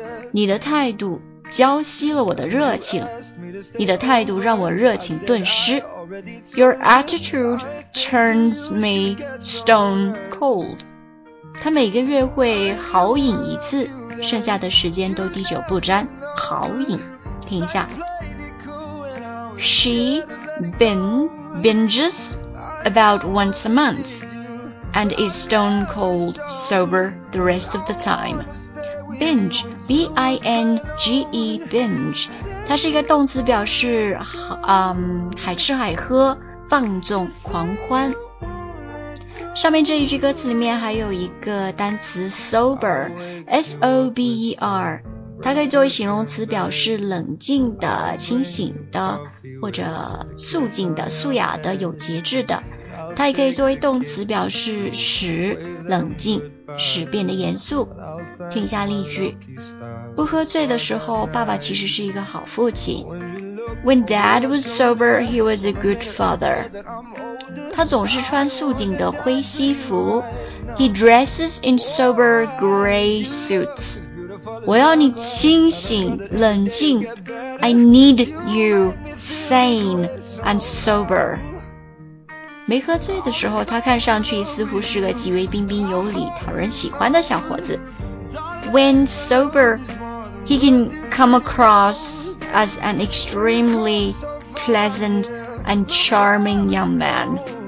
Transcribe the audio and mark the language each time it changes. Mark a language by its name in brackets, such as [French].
[Chinese] 你的态度浇熄了我的热情。你的态度让我热情顿失。 [English] Your attitude turns me stone cold. [Chinese] 他每个月会豪饮一次，剩下的时间都滴酒不沾。豪饮，听一下。 [English] She binges about once a month and is stone cold sober the rest of the time. Binge, B-I-N-G-E, binge. [Chinese] 它是一个动词，表示海吃海喝，放纵狂欢。上面这一句歌词里面还有一个单词 sober, S-O-B-E-R, 它可以作为形容词，表示冷静的、清醒的或者肃静的、素雅的、有节制的。它也可以作为动词，表示使冷静，使变得严肃。听一下例句，不喝醉的时候，爸爸其实是一个好父亲。 [English] When dad was sober, he was a good father. [Chinese] 他总是穿素净的灰西服。 [English] He dresses in sober gray suits. [Chinese] 我要你清醒，冷静。 [English] I need you sane and sober. [Chinese] 没喝醉的时候，他看上去似乎是个极为彬彬有礼、讨人喜欢的小伙子。 [English] When sober, he can come across as an extremely pleasant and charming young man.